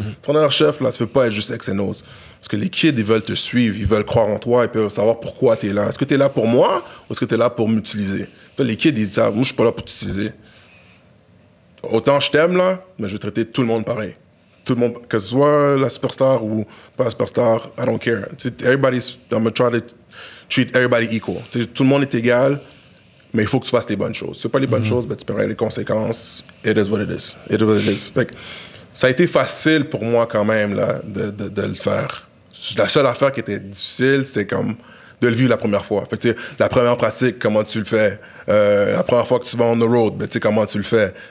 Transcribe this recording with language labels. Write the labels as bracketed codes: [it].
[fr] Entraîneur-chef, là, tu peux pas être juste X and O's. Parce que les kids, ils veulent te suivre, ils veulent croire en toi, ils peuvent savoir pourquoi t'es là. Est-ce que t'es là pour moi ou est-ce que t'es là pour m'utiliser? Toi, les kids, ils disent ça, moi, je suis pas là pour t'utiliser. Autant je t'aime, là, mais je vais traiter tout le monde pareil. Tout le monde, que ce soit la superstar ou pas la superstar, I don't care. [en] Everybody's, I'm gonna try to treat everybody equal. [fr] T'sais, tout le monde est égal. Mais il faut que tu fasses les bonnes choses. Si c'est pas les bonnes choses, ben tu paieras les conséquences. It is what it is. It is what it is. Fait que ça a été facile pour moi quand même là, de le faire. La seule affaire qui était difficile, c'est comme de le vivre la première fois. Fait que, la première pratique, comment tu le fais? La première fois que tu vas on the road, ben, comment tu le fais?